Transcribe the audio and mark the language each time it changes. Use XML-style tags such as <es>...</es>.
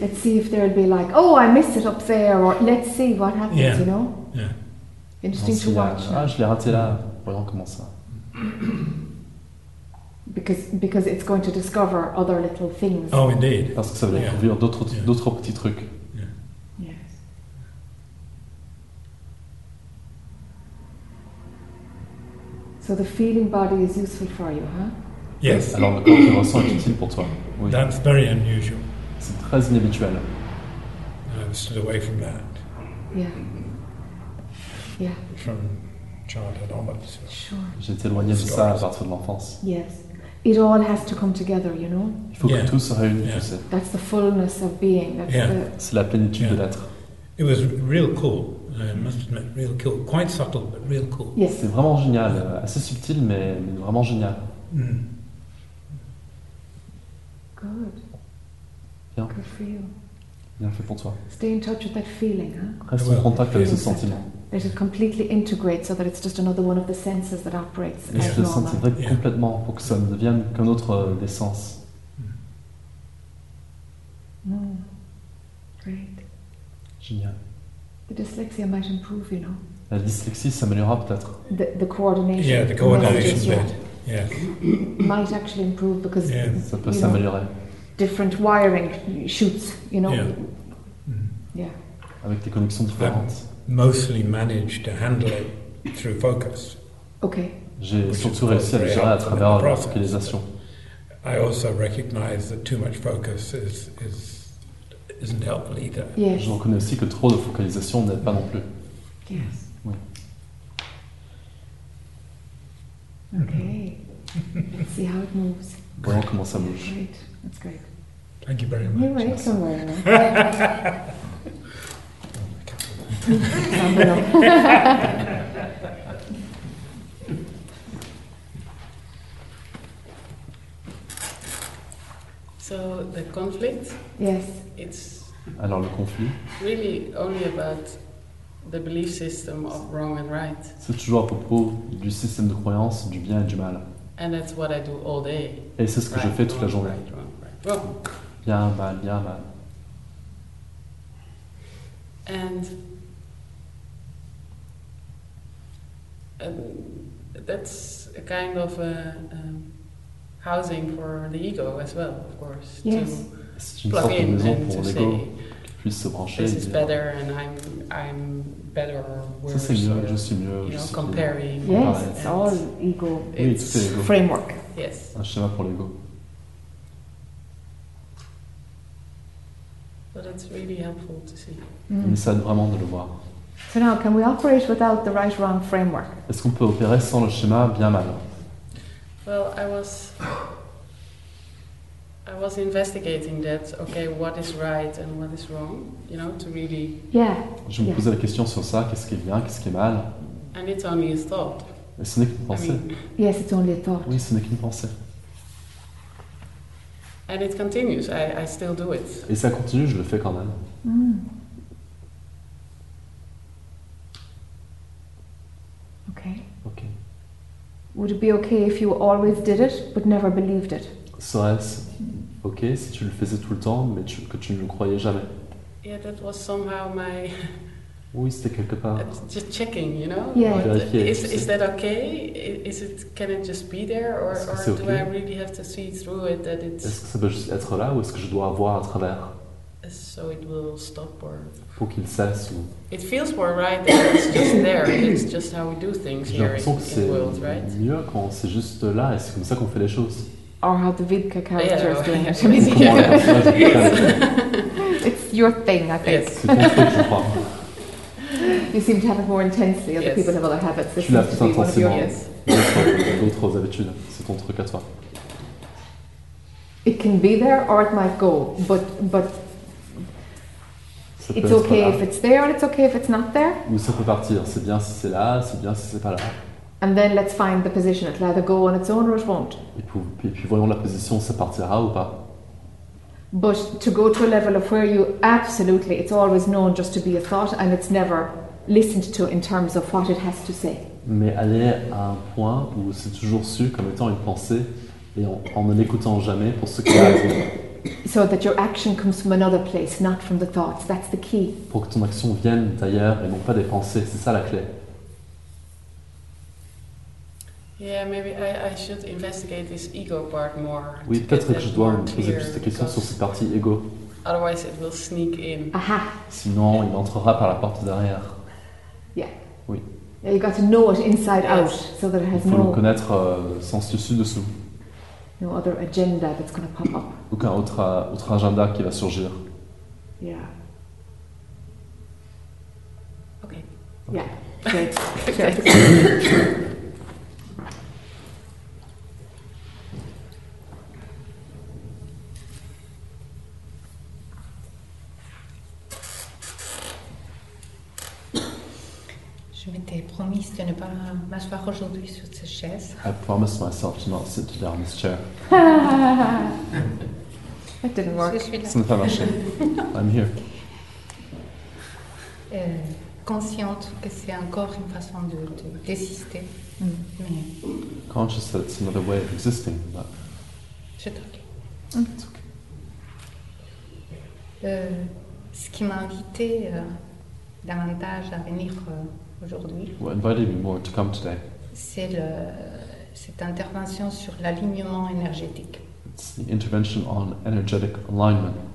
<en>Let's see if there'll be like, oh, I miss it up there, or let's see what happens, you know? Yeah. Interesting to watch.</en> <fr>Ah, je l'ai raté là. Voyons comment ça.</fr> <en>Because it's going to discover other little things. Oh, indeed.</en> <fr>Parce que ça va découvrir d'autres petits trucs.</fr> <en>Yeah. Yes. So the feeling body is useful for you, huh? Yes.</en> <fr>Alors le corps que tu ressens est utile pour toi. Oui.</fr> <en>That's very unusual.</en> <fr>C'est très inhabituel.</fr> <en>I've stood away from that. Yeah. Yeah. From childhood onwards. So. Sure.</en> <fr>J'étais éloigné de ça à partir de l'enfance.</fr> <en>Yes. It all has to come together, you know?</en> <fr>Il faut que tout se réunisse, tu sais.</fr> <en>That's the fullness of being. That's</en> <fr>C'est la plénitude de l'être.</fr> <en>It was real cool. I must admit, real cool. Quite subtle, but real cool. Yes.</en> <fr>C'est vraiment génial. Assez subtil, mais vraiment génial.</fr> <en>Good.</en> <fr>Bien.</fr> <en>Good for you.</en> <fr>Bien fait pour toi.</fr> <en>Stay in touch with that feeling, huh?</en> <fr>Reste en contact avec ce sentiment.</fr> <en>That it completely integrates, so that it's just another one of the senses that operates.</en> <fr>Et se sentir complètement pour que ça ne devienne qu'un autre des sens.</fr> <en>Great.</en> <fr>Génial.</fr> <en>The dyslexia might improve, you know.</en> <fr>La dyslexie s'améliorera peut-être.</fr> <en>The coordination. Yeah, the coordination bit. Yeah. Might actually improve because</en> <fr>ça peut s'améliorer.</fr> <en>Different wiring shoots, you know. Yeah. Yeah.</en> <fr>Avec des connexions différentes.</fr> <en>Mostly managed to handle it through focus. Okay.</en> <fr>J'ai surtout réussi à le gérer à travers la focalisation.</fr> <en>I also recognize that too much focus isn't helpful either. Yes.</en> <fr>Je reconnais aussi que trop de focalisation n'aide pas non plus.</fr> <en>Yes.</en> <fr>Oui.</fr> <en>Okay. Let's see how it moves.</en> <fr>Voyons comment ça bouge.</fr> <en>Great. That's great. Thank you very much. You're welcome. Very much.</en> <fr>Non, non.</fr> <en>So the conflict? Yes. It's</en> <fr>alors le conflit?</fr> <en>Really only about the belief system of wrong and right.</en> <fr>C'est toujours à propos du système de croyance du bien et du mal.</fr> <en>And that's what I do all day.</en> <fr>Et c'est ce que</fr> <en>right,</en> <fr>je fais toute</fr> <en>wrong,</en> <fr>la journée.</fr> <en>Right, wrong, right.</en> <fr>Bien, mal, bien, mal.</fr> <en>And that's a kind of a housing for the ego as well, of course. Yes. To plug in and to say,</en> <fr>puisse se brancher.</fr> <en>This is better, and I'm better or worse.</en> <fr>Ça c'est mieux, je suis mieux.</fr> <en>You know,</en> <fr>je suis</fr> <en>comparing. Yes, yes, it's all ego. It's</en> <fr>oui,</fr> <en>ego. Framework. Yes.</en> <fr>Un schéma pour l'ego.</fr> <en>So that's really helpful to see.</en> <fr>Mm. Mais ça aide vraiment de le voir.</fr> <en>So now, can we operate without the right wrong framework?</en> <fr>Est-ce qu'on peut opérer sans le schéma bien mal?</fr> <en>Well, I was investigating that. Okay, what is right and what is wrong? You know, to really. Yeah.</en> <fr>Je me posais la question sur ça. Qu'est-ce qui est bien, qu'est-ce qui est mal?</fr> <en>And it's only a thought.</en> <fr>Et ce n'est qu'une pensée.</fr> <en>I mean, yes, it's only a thought.</en> <fr>Oui, ce n'est qu'une pensée.</fr> <en>And it continues. I still do it.</en> <fr>Et ça continue. Je le fais quand même. Mm.</fr> <en>Okay. Would it be okay if you always did it but never believed it?</en> <fr>Serait-ce okay si tu le faisais tout le temps mais que tu ne le croyais jamais?</fr> <en>Yeah, that was somehow my.</en> <fr>Oui, c'était quelque part.</fr> <en>Just checking, you know. Yeah.</en> <fr>Vérifier,</fr> <en>is that okay? Is it? Can it just be there, or okay? Do I really have to see through it that it's?</en> <fr>Est-ce que ça peut juste être là ou est-ce que je dois voir à travers?</fr> <en>So it will stop or.</en> <fr>Pour qu'il cesse ou.</fr> <en>It feels more right that it's just there. It's just how we do things here in the world, right?</en> <fr>J'ai l'impression que c'est mieux quand c'est juste là et c'est comme ça qu'on fait les choses.</fr> <en>Or how the Vidka character yeah, is doing it. Yeah.</en> <fr>Comment la</fr> <en>It's your thing, I think. Yes. You seem to have it more intensely. Other yes. People have other habits. This</en> <fr>tu l'as plus intensément.</fr> <en>Yes.</en> <fr>D'autres habitudes. C'est ton truc à toi.</fr> <en>It can be there or it might go, but. It's okay if it's there and it's okay if it's not there.</en> <fr>Ou ça peut partir, c'est bien si c'est là, c'est bien si c'est pas là.</fr> <en>And then let's find the position, it'll either go on its own or it won't.</en> <fr>Et puis voyons la position, ça partira ou pas.</fr> <en>But to go to a level of where you absolutely, it's always known just to be a thought and it's never listened to in terms of what it has to say.</en> <fr>Mais aller à un point où c'est toujours su comme étant une pensée et en ne l'écoutant jamais pour ce qu'il y a à dire.</fr> <en>So that your action comes from another place, not from the thoughts. That's the key.</en> <fr>Pour que ton action vienne d'ailleurs et non pas des pensées, c'est ça la clé.</fr> <en>Yeah, maybe I should investigate this ego part more.</en> <fr>Oui, peut-être que je dois me poser plus de questions sur cette partie ego.</fr> <en>Otherwise, it will sneak in. Aha.</en> <fr>Sinon, il entrera par la porte derrière.</fr> <en>Yeah.</en> <fr>Oui.</fr> <en>Yeah, you got to know it inside yes. Out, so that it has no.</en> <fr>Il faut le connaître sens dessus dessous.</fr> <en>No other agenda that's going to pop up.</en> <fr>Aucun autre agenda qui va surgir.</fr> <en>Yeah. Okay. Yeah. Good.</en> <fr>Je m'étais promise de ne pas m'asseoir aujourd'hui sur cette chaise.</fr> <en>I promised myself to not sit down on this chair. It didn't work.</en> <fr>Ça n'a pas marché.</fr> <en>I'm here.</en> <fr>Consciente que c'est encore une façon de d'exister. Mm.</fr> <en>Conscious that it's another way of existing, but.</en> <fr>Je t'occupe.</fr> <en>It's okay.</en> <fr>Ce qui m'a invité davantage à venir aujourd'hui.</fr> <en>What invited me more to come today?</en> <fr>C'est cette intervention sur l'alignement énergétique.</fr> <en>It's the intervention on energetic alignment.</en>